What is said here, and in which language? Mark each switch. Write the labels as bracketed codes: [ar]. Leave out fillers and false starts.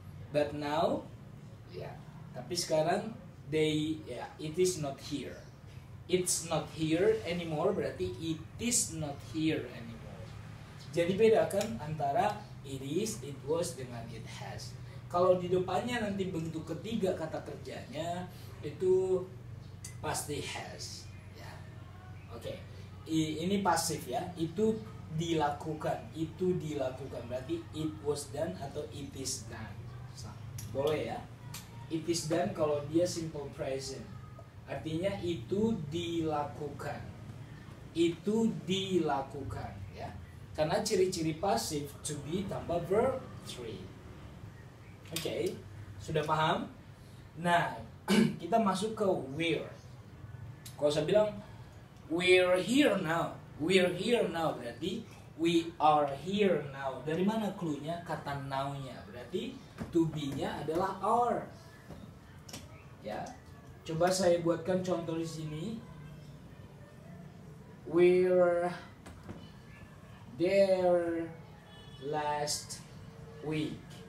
[en] But now, ya, [id] tapi sekarang [en] they, ya, it is not here. It's not here anymore, [id] berarti [en] it is not here anymore. [id] Jadi bedakan antara [en] it is, it was [id] dengan [en] it has. [id] Kalau di depannya nanti bentuk ketiga kata kerjanya itu pasti has. Ya. Oke. Okay. Ini pasif ya. Itu dilakukan. Itu dilakukan berarti [en] it was done [id] atau [en] it is done. [id] So, boleh ya. It is done kalau dia simple present. Artinya itu dilakukan. Itu dilakukan. Karena ciri-ciri pasif to be tambah verb 3. Okay, sudah paham? Nah, kita masuk ke where. Kalau saya bilang [en] we're here now, we're here now [id] berarti [en] we are here now. [id] Dari mana cluenya? Kata now-nya berarti to be-nya adalah are. Ya, coba saya buatkan contoh di sini. [en] We're there last week.